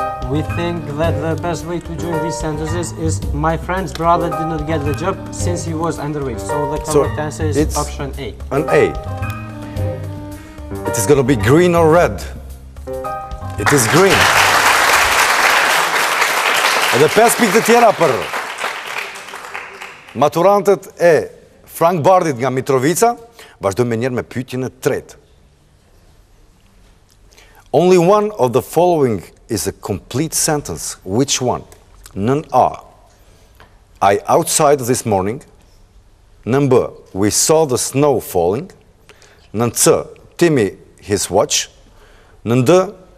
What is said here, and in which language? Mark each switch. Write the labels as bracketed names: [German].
[English] We think that the best way to join these sentences is my friend's brother did not get the job since he was underage. So the correct answer is option A. An A. It is going to be green or red. It is green. [Albanian] Edhe 5 pikë të tjera për maturantët e Frank Bardit nga Mitrovica. Vazhdojmë me njerë me pyetjen e tretë. [English] Only one of the following is a complete sentence. Which one? [Albanian] Nën A. [English] I outside this morning. [Albanian] Nën B. [English] We saw the snow falling. [Albanian] Nën C. [English] Timmy his watch. [Albanian] Nën D.